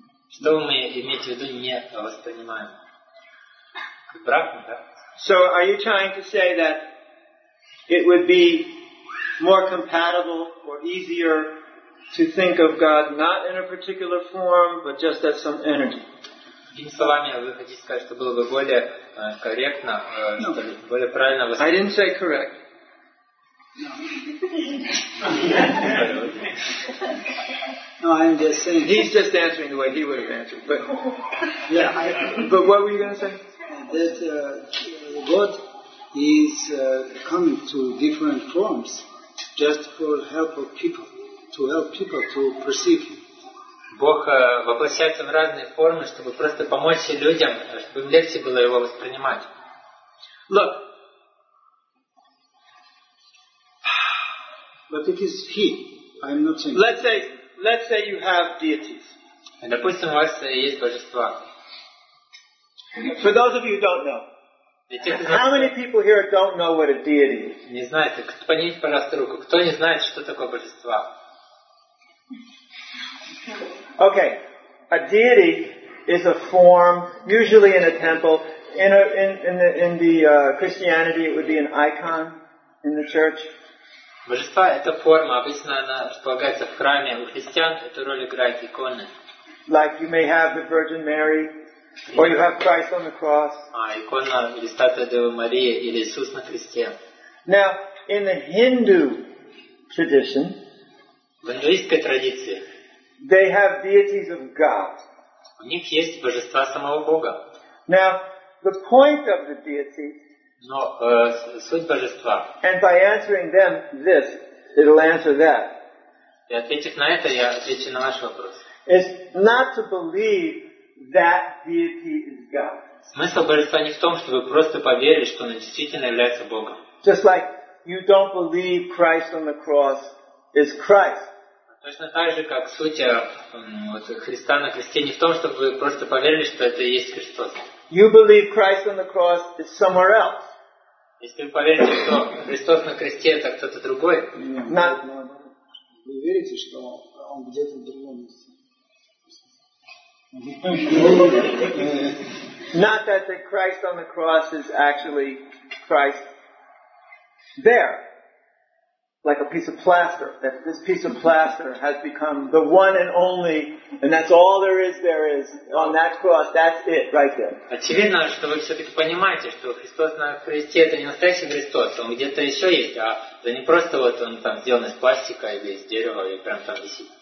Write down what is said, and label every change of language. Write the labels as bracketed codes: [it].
[ru] Что мы имеете в виду не воспринимаем? Брахма, да? [en] So are you trying to say that it would be more compatible or easier to think of God not in a particular form but just as some energy? [ru] Другими словами, вы хотите сказать, что было бы более корректно, что более правильно воспринимать? [en] I didn't say correct. No, I'm just saying. He's just answering the way he would have answered. But yeah, but what were you going to say? That God is coming to different forms just for help of people, to help people to perceive Him. [ru] Бог воплощается в разные формы, чтобы просто помочь людям, чтобы им легче было Его воспринимать. [en] Look. But it is He. I'm not saying. Let's say you have deities. [ru] Допустим, у вас есть божества. [en] For those of you who don't know, how many people here don't know what a deity is? [ru] Не знаете? Поднимите, пожалуйста, руку. Кто не знает, что такое божество? [en] Okay, a deity is a form, usually in a temple. In the Christianity, it would be an icon in the church. [ru] Божество — это форма. Обычно она располагается в храме. У христиан эту роль играет икона. [en] Like you may have the Virgin Mary. Or you have Christ on the cross. [ru] Икона или статуя Девы Марии или Иисус на кресте. [en] Now, in the Hindu tradition, [ru] в индуистской традиции, [en] they have deities of God. [ru] У них есть божества самого Бога. [en] Now, the point of the deity. [ru] Но суть божества. [en] And by answering them this, it'll answer that. [ru] И ответив на это, я отвечу на ваш вопрос. [en] Is not to believe that deity is God. [ru] Смысл божества не в том, чтобы просто поверить, что оно действительно является Богом. [en] Just like you don't believe Christ on the cross is Christ. [ru] Точно так же, как суть Христа на кресте не в том, чтобы вы просто поверили, что это и есть Христос. [en] You believe Christ on the cross is somewhere else. [ru] Если вы поверите, что Христос на кресте это кто-то другой, вы верите, что он где-то в другом месте. [en] Not that the Christ on the cross is actually Christ there, like a piece of plaster, that this piece of plaster has become the one and only, and that's all there is on that cross, that's it, right there. [ru] Очевидно, что вы все-таки понимаете, что Христос на кресте это не настоящий Христос, он где-то еще есть, а это не просто вот он там сделан из пластика или из дерева и прям там висит.